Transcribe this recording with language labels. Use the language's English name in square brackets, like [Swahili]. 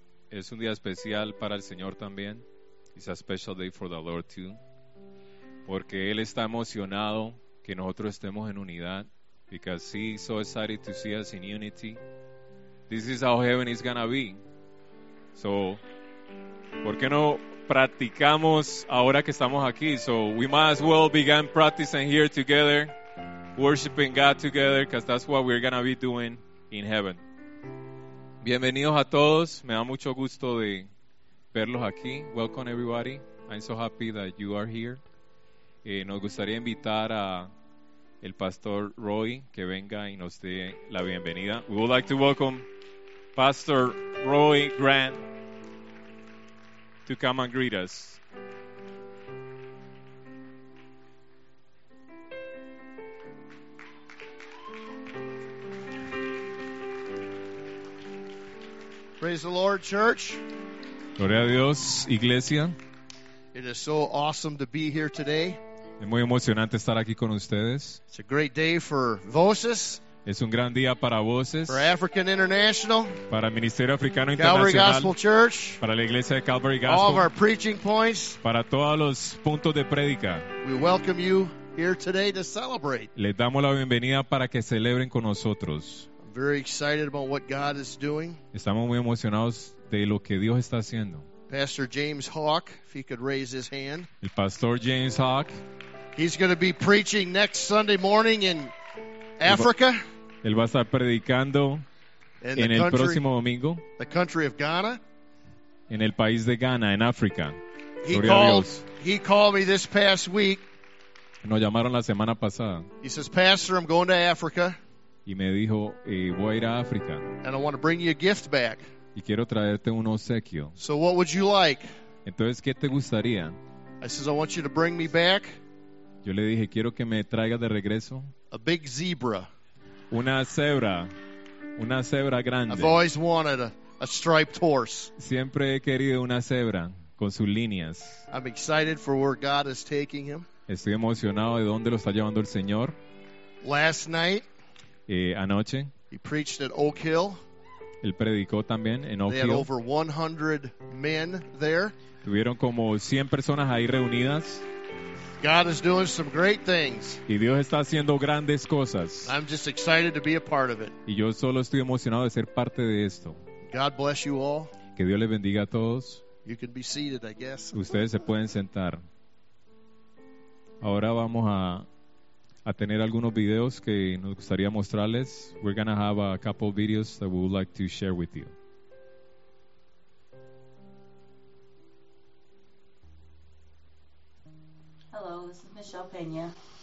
[Spanish] Es un día especial para el Señor también. [English] It's a special day for the Lord too. [Spanish] Porque Él está emocionado que nosotros estemos en unidad. [English] Because He's so excited to see us in unity. This is how heaven is gonna be. [Spanish] So, ¿por qué no practicamos ahora que estamos aquí? [English] So, we might as well begin practicing here together. Worshiping God together. Because that's what we're gonna be doing in heaven. [Spanish] Bienvenidos a todos. Me da mucho gusto de verlos aquí. [English] Welcome everybody. I'm so happy that you are here. [Spanish] Nos gustaría invitar a el Pastor Roy que venga y nos dé la bienvenida. [English] We would like to welcome Pastor Roy Grant to come and greet us. Praise the Lord, church. [Spanish] Gloria a Dios, iglesia. [English] It is so awesome to be here today. [Spanish] Es muy emocionante estar aquí con ustedes. [English] It's a great day for Voces. [Spanish] Es un gran día para Voces. [English] For African International. [Spanish] Para el Ministerio Africano [English] Calvary [Spanish] Internacional. [English] Calvary Gospel Church. [Spanish] Para la iglesia de Calvary Gospel. [English] All of our preaching points. [Spanish] Para todos los puntos de prédica. [English] We welcome you here today to celebrate. [Spanish] Les damos la bienvenida para que celebren con nosotros. [English] I'm very excited about what God is doing. [Spanish] Estamos muy emocionados de lo que Dios está haciendo. [English] Pastor James Hawk, if he could raise his hand. [Spanish] El Pastor James Hawk. [English] He's going to be preaching next Sunday morning in Africa. [Spanish] Él va a estar predicando en el próximo domingo. [English] The country of Ghana. [Spanish] En el país de Ghana, en África. [English] He called me this past week. [Spanish] Nos llamaron la semana pasada. [English] He says, Pastor, I'm going to Africa. [Spanish] Y me dijo, voy a ir a África. [English] And I want to bring you a gift back. [Spanish] Y quiero traerte un obsequio. [English] So what would you like? [Spanish] Entonces, ¿qué te gustaría? [English] I says, I want you to bring me back. [Spanish] Yo le dije, quiero que me traigas de regreso. [English] A big zebra. [Spanish] Una cebra grande. [English] I've always wanted a striped horse. [Spanish] Siempre he querido una cebra con sus líneas. [English] I'm excited for where God is taking him. [Spanish] Estoy emocionado de dónde lo está llevando el Señor. [English] Last night. [Spanish] Anoche. [English] He preached at Oak Hill. [Spanish] Él predicó también en Oak [English] They [Spanish] Hill. [English] Had over 100 men there. [Spanish] Tuvieron como 100 personas ahí reunidas. [English] God is doing some great things. [Spanish] Y Dios está haciendo grandes cosas. [English] I'm just excited to be a part of it. [Spanish] Y yo solo estoy emocionado de ser parte de esto. [English] God bless you all. [Spanish] Que Dios les bendiga a todos. [English] You can be seated, I guess. [Spanish] Ustedes se pueden sentar. Ahora vamos a tener algunos videos que nos gustaría mostrarles. [English] We're going to have a couple of videos that we would like to share with you. Hello, this is Michelle Pena.